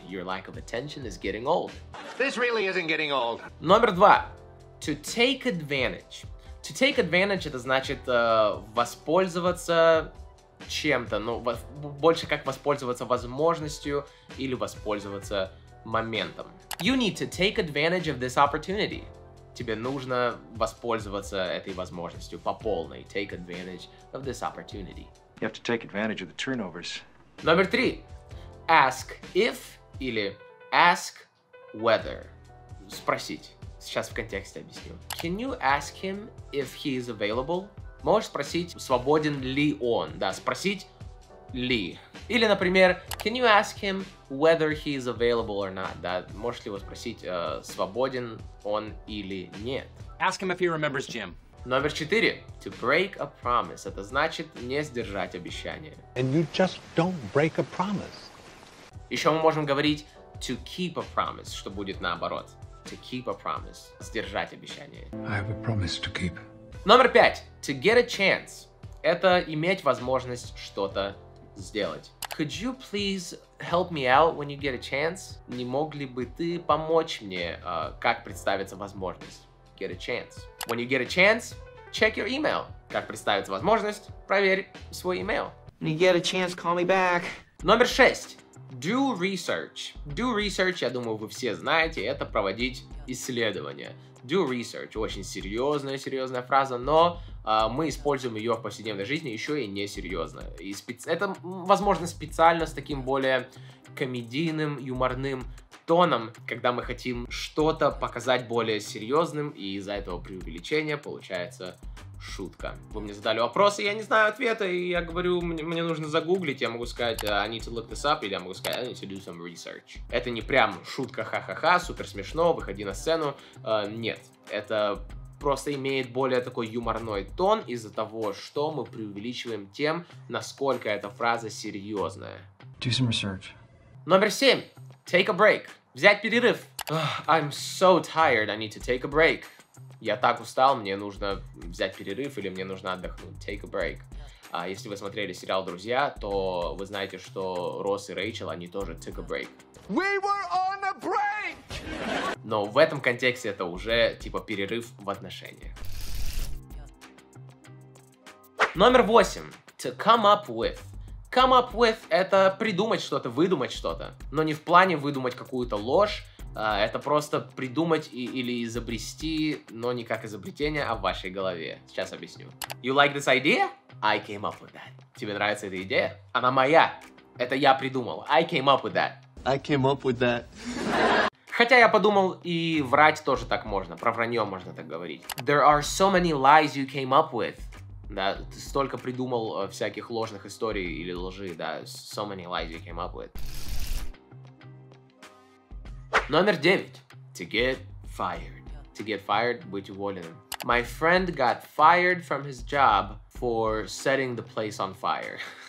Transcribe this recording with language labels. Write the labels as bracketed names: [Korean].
[English] Your lack of attention is getting old. This really isn't getting old. [Russian] Номер два. [English] To take advantage. To take advantage [Russian] — это значит воспользоваться чем-то, ну, больше как воспользоваться возможностью или воспользоваться моментом. [English] You need to take advantage of this opportunity. [Russian] Тебе нужно воспользоваться этой возможностью по полной. [English] Take advantage of this opportunity. You have to take advantage of the turnovers. [Russian] Номер три. [English] Ask if [Russian] или [English] ask whether. [Russian] Спросить. Сейчас в контексте объясню. [English] Can you ask him if he is available? [Russian] Можешь спросить, свободен ли он? Да, спросить ли. Или, например, [English] can you ask him whether he is available or not? [Russian] Да, можешь ли его спросить, свободен он или нет? [English] Ask him if he remembers Jim. [Russian] Номер четыре. [English] To break a promise. [Russian] Это значит не сдержать обещание. [English] And you just don't break a promise. [Russian] Еще мы можем говорить [English] to keep a promise, [Russian] что будет наоборот. [English] To keep a promise. [Russian] Сдержать обещание. [English] I have a promise to keep. [Russian] Номер пять. [English] To get a chance. [Russian] Это иметь возможность что-то сделать. [English] Could you please help me out when you get a chance? [Russian] Не мог ли бы ты помочь мне, как представится возможность? [English] Get a chance. When you get a chance, check your email. [Russian] Как представится возможность, проверь свой email. [English] When you get a chance, call me back. [Russian] Номер шесть. [English] Do research. Do research, [Russian] я думаю, вы все знаете, это проводить исследования. Do research. Очень серьезная фраза, но мы используем ее в повседневной жизни еще и несерьезно. И это, возможно, специально с таким более комедийным, юморным тоном, когда мы хотим что-то показать более серьезным, и из-за этого преувеличения получается шутка. Вы мне задали вопрос, и я не знаю ответа, и я говорю, мне нужно загуглить, я могу сказать, [English] I need to look this up, [Russian] или я могу сказать, [English] I need to do some research. [Russian] Это не прям шутка ха-ха-ха, супер смешно, выходи на сцену. Нет, это просто имеет более такой юморной тон из-за того, что мы преувеличиваем тем, насколько эта фраза серьезная. [English] Do some research. [Russian] Номер семь. [English] Take a break. [Russian] Взять перерыв. [English] I'm so tired, I need to take a break. [Russian] Я так устал, мне нужно взять перерыв или мне нужно отдохнуть. [English] Take a break. [Russian] А если вы смотрели сериал «Друзья», то вы знаете, что Росс и Рэйчел, они тоже [English] took a break. We were on a break! [Russian] Но в этом контексте это уже типа перерыв в отношениях. Номер восемь. [English] To come up with. Come up with [Russian] — это придумать что-то, выдумать что-то. Но не в плане выдумать какую-то ложь. Это просто придумать или изобрести, но не как изобретение, а в вашей голове. Сейчас объясню. [English] You like this idea? I came up with that. [Russian] Тебе нравится эта идея? Она моя. Это я придумал. [English] I came up with that. I came up with that. [Russian] Хотя я подумал, и врать тоже так можно. Про вранье можно так говорить. [English] There are so many lies you came up with. [Russian] Да, ты столько придумал всяких ложных историй или лжи, да. [English] So many lies you came up with. [Russian] Номер девять. [English] To get fired. To get fired, [Russian] быть уволенным. [English] My friend got fired from his job for setting the place on fire.